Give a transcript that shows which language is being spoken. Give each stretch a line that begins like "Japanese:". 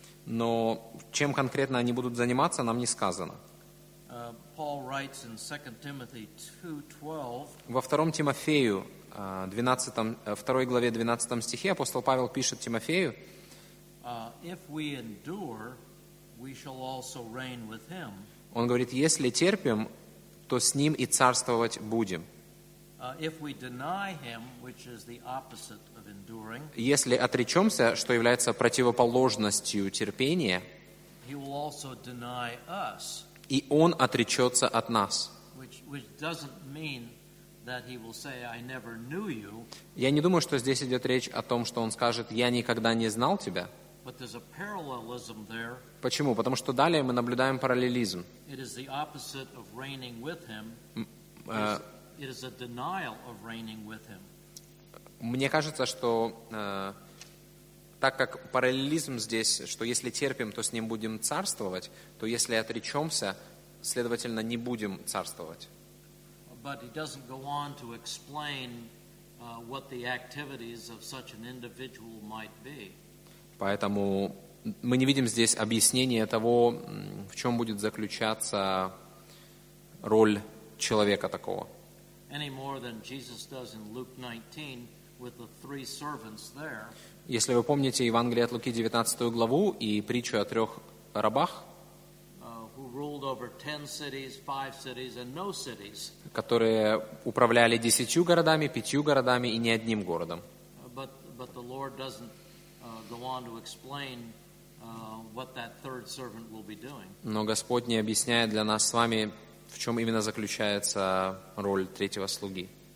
Russian: Но чем конкретно они будут заниматься, нам не сказано.
English: Paul writes in 2 Timothy 2:12.
Russian: Во втором Тимофею, 12, второй главе 12 стихе апостол Павел пишет Тимофею:
English: If we endure, we shall also reign with him.
Russian: Он говорит: если терпим, то с ним и царствовать будем.
English: If we deny him, which is the opposite of enduring,
Russian: если отречемся, что является противоположностью терпения,
English: he will also deny us,
Russian: и он отречется от нас.
English: Which doesn't mean that he will say, I never knew you.
Russian: Я не думаю, что здесь идет речь о том, что он скажет, я никогда не знал тебя.
English: But there's a parallelism there.
Russian: Почему? Потому что далее мы наблюдаем параллелизм.
English: It is the opposite of reigning with him. It is a denial of reigning with him.
Russian: Мне кажется, что так как параллелизм здесь, что если терпим, то с ним будем царствовать, то если отречемся, следовательно, не будем царствовать.
English: But he doesn't go on to explain what the activities of such an individual might be.
Russian: Поэтому мы не видим здесь объяснения того, в чем будет заключаться роль человека такого.
English: Any more than Jesus does in Luke 19 with the three servants there.
Russian: Если вы помните Евангелие от Луки 19 главу и притчу о трех рабах,
English: who ruled over 10 cities, 5 cities, and no cities.
Russian: Которые управляли 10 городами, 5 городами и не одним городом.
English: But the Lord doesn't go on to explain what that third servant will be doing.
Russian: Но Господь не объясняет для нас с вами, в чем именно заключается роль третьего слуги.